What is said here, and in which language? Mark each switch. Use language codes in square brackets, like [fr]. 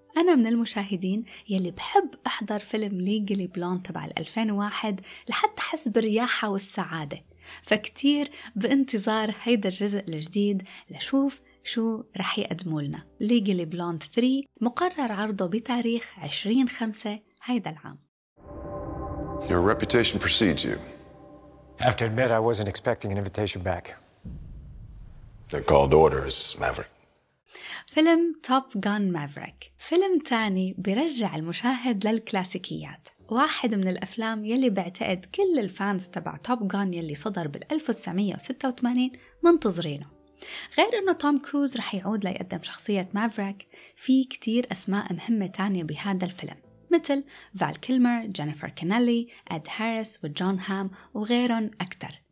[ar] أنا من المشاهدين يلي بحب أحضر فيلم ليجلي بلوند تبع 2001 لحتى أحس برياحة والسعادة، فكتير بانتظار هيدا الجزء الجديد لشوف شو رح يقدمولنا. ليجلي بلوند 3 مقرر عرضه بتاريخ 20/5 هيدا العام. [en] Your reputation precedes you. I have to admit I wasn't expecting an invitation back. They're called orders, Maverick. [ar] فيلم توب غان مافريك، فيلم تاني بيرجع المشاهد للكلاسيكيات، واحد من الأفلام يلي بعتقد كل الفانز تبع توب غان يلي صدر بال 1986 منتظرينه. غير أنه توم كروز رح يعود ليقدم شخصية مافريك، في كتير أسماء مهمة تانية بهذا الفيلم مثل فال كيلمر، جينيفر كينيلي، أد هاريس وجون هام وغيرهم أكتر.